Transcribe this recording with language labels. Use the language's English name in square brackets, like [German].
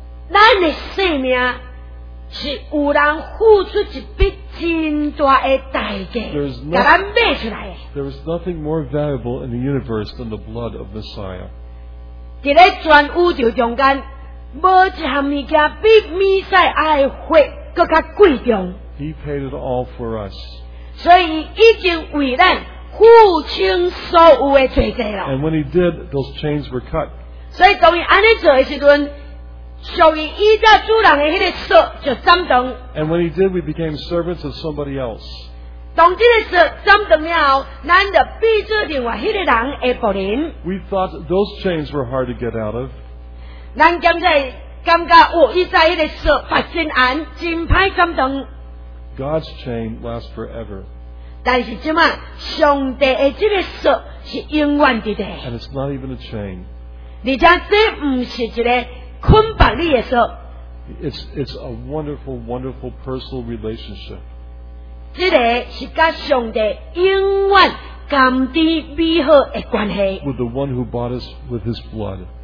[English] There is nothing more valuable in the universe than the blood of Messiah. [Min Nan Chinese] 在咧全宇宙中间，无一项物件比弥赛亚的血搁较贵重。 [English] He paid it all for us. [Min Nan Chinese] 所以已经为咱付清所有的罪债了。 [English] And when he did, those chains were cut. [Min Nan Chinese] 所以当伊安尼做的时阵，属于伊家主人的迄个锁就斩断。 [English] And when he did, we became servants of somebody else. [Min Nan Chinese] 当这个锁斩断了，咱就变作另外迄个人的仆人。 [English] We thought those chains were hard to get out of. [Min Nan Chinese] 咱现在感觉哦，伊在迄个锁发生案真歹斩断。 [English] God's chain lasts forever. [Min Nan Chinese] 但是即马上帝的这个锁是永远的。 [English] And it's not even a chain. [Min Nan Chinese] 而且这不是一个捆绑你的锁。 [English] It's a wonderful, wonderful personal relationship. [Min Nan Chinese] 这个是跟上帝永远甘甜美好的关系。 [English] With the one who bought us with His blood.